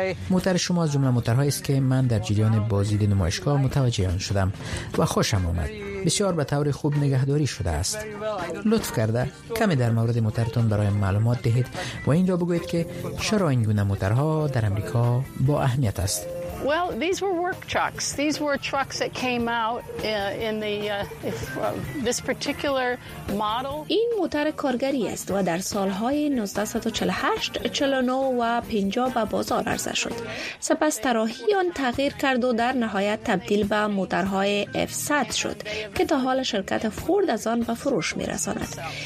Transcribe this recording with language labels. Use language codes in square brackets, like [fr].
[fa] موتر شما از جمله موترهایی است که من در جریان بازدید نمایشگاه متوجه آن شدم و خوشم آمد. بسیار به طور خوب نگهداری شده است. لطف کرده کمی در مورد موترتون برای معلومات دهید و این را بگوید که چرا این گونه موترها در امریکا با اهمیت است. [en] Well, these were work trucks. These were trucks that came out in the this particular model. [fa] این موتر کارگری است و در سالهای 1948, 49 و 50 به بازار عرضه شد. سپس طراحی آن تغییر کرد و در نهایت تبدیل به موترهای F100 شد که تا حال شرکت فورد از آن به فروش می‌رساند.